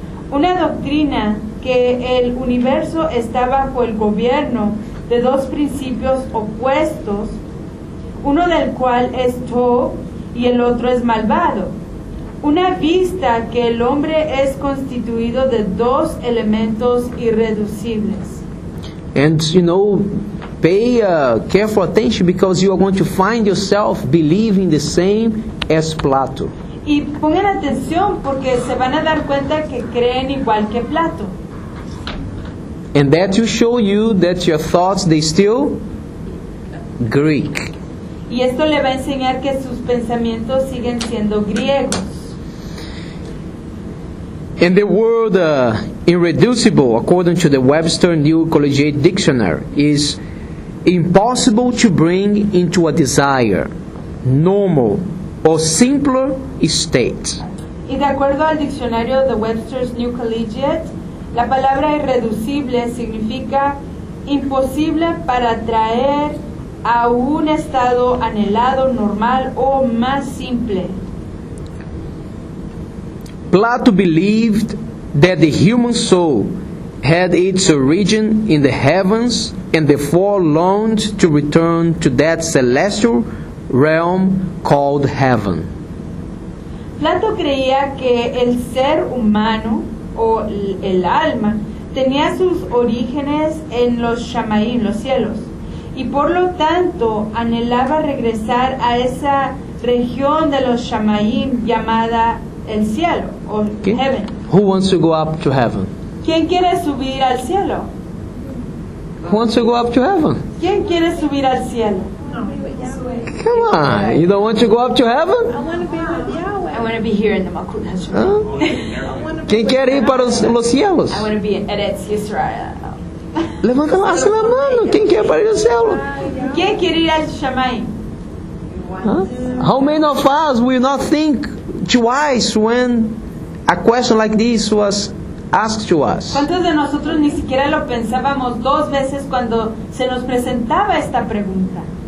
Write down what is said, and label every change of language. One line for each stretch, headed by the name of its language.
Spanish: Una doctrina que el universo está bajo el gobierno de dos principios opuestos, uno del cual es Tov y el otro es malvado. Una vista que el hombre es constituido de dos elementos irreducibles.
English: And you know, pay careful attention because you are going to find yourself believing the same as Plato.
Spanish: Y pongan atención porque se van a dar cuenta que creen igual que Plato.
English: And that will show you that your thoughts, they still Greek.
Spanish: Y esto le va a enseñar que sus pensamientos siguen siendo griegos.
English: And the word irreducible, according to the Webster New Collegiate Dictionary, is impossible to bring into a desire, normal or simpler state.
Spanish: Y de acuerdo al diccionario de Webster's New Collegiate, la palabra irreducible significa imposible para traer a un estado anhelado, normal o más simple.
English: Plato believed that the human soul had its origin in the heavens and therefore longed to return to that celestial realm called heaven.
Spanish: Plato creía que el ser humano o el alma tenía sus orígenes en los shamayim, los cielos, y por lo tanto anhelaba regresar a esa región de los Shamayim llamada el cielo, or okay.
English: Heaven. Who wants to go up to heaven?
Spanish: ¿Quién quiere subir al cielo?
English: Who wants to go up to heaven?
Spanish: ¿Quién quiere subir al cielo?
English: Come on, you don't want to go up to heaven? I want to be with Yahweh. I want to be here in the Malkut HaShemayim.
Spanish: ¿Quién quiere ir para los cielos?
English: I want to be in Eretz Yisrael.
Spanish: Levanta la mano, ¿quién quiere ir al cielo? ¿Quién quiere ir al Shamayim? Huh?
English: How many of us will not think twice when a question like this was asked to us?
Spanish: ¿Cuántos de nosotros ni siquiera lo pensábamos dos veces cuando se nos presentaba esta pregunta?